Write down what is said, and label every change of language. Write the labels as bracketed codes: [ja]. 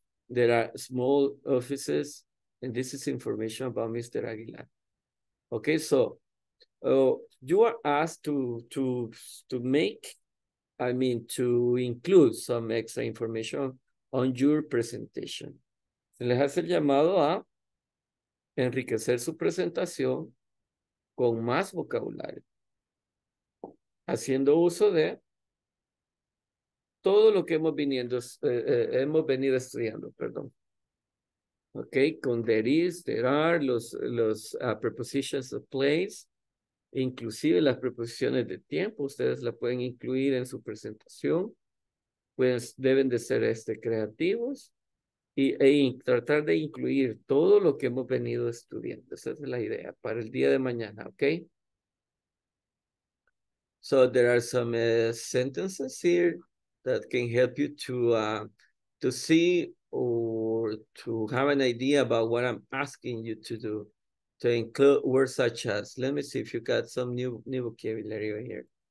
[en] There are small offices. And this is information about Mr. Aguilar. Okay, so you are asked to include some extra information on your presentation. [es] Se les hace el llamado a enriquecer su presentación con más vocabulario. Haciendo uso de todo lo que hemos venido estudiando. Okay, con [en] there is, there are, [es] los [en] prepositions of place, [es] inclusive las preposiciones de tiempo, ustedes la pueden incluir en su presentación, pues deben de ser creativos y tratar de incluir todo lo que hemos venido estudiando. Esa es la idea para el día de mañana, okay? [en] So there are some sentences here that can help you to see or to have an idea about what I'm asking you to do, to include words such as, let me see if you got some new vocabulary over here.